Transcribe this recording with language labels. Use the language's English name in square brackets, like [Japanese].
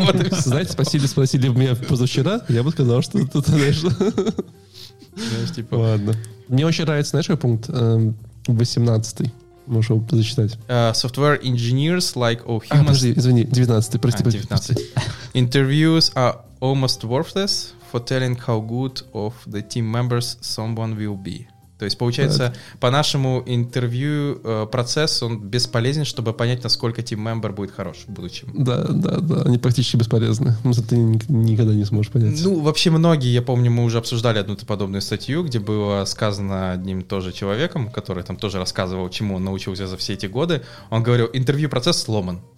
[Russian] Знаете, спросили бы меня позавчера, я бы сказал, что тут, знаешь, типа... Ладно. Мне очень нравится, знаешь, какой пункт? 18-й. Можешь его зачитать. [English] Software engineers like all humans... [Russian] Подожди, извини, 19-й, прости. 19. [English] Interviews are almost worthless for telling how good of the team members someone will be. [Russian] То есть, получается, по нашему интервью процесс, он бесполезен, чтобы понять, насколько тиммембер будет хорош в будущем. Да, да, да, они практически бесполезны, но это ты никогда не сможешь понять. Ну, вообще многие, я помню, мы уже обсуждали одну подобную статью, где было сказано одним тоже человеком, который там тоже рассказывал, чему он научился за все эти годы, он говорил, интервью процесс сломан.